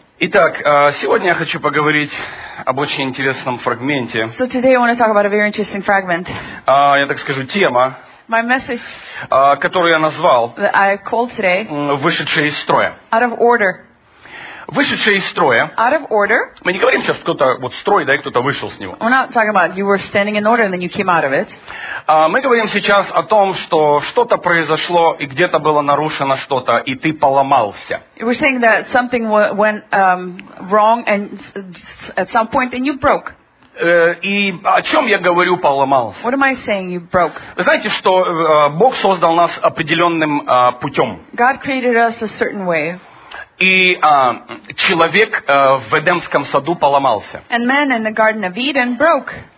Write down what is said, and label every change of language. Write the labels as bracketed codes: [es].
[ru] Итак, сегодня я хочу поговорить об очень интересном фрагменте. [en] So today I want to talk about a very interesting fragment. [ru] Я так скажу, тема. [en] My message. [ru] Которую я назвал. [en] That I called today. [ru] Вышедшая из строя. [en] Out of order. [ru] Вышедшая из строя. [en] Out of order. [ru] Мы не говорим сейчас, кто-то вот строй, да, и кто-то вышел с него. [en] We're not talking about you were standing in order and then you came out of it. [ru] Мы говорим сейчас о том, что что-то произошло и где-то было нарушено что-то и ты поломался. [en] We're saying that something went wrong and at some point and you broke. [ru] И о чем я говорю, поломался? [en] What am I saying? You broke. [ru] Вы знаете, что Бог создал нас определенным путем. [en] God created us a certain way. [ru] И человек в Эдемском саду поломался. [en] And man in the Garden of Eden broke.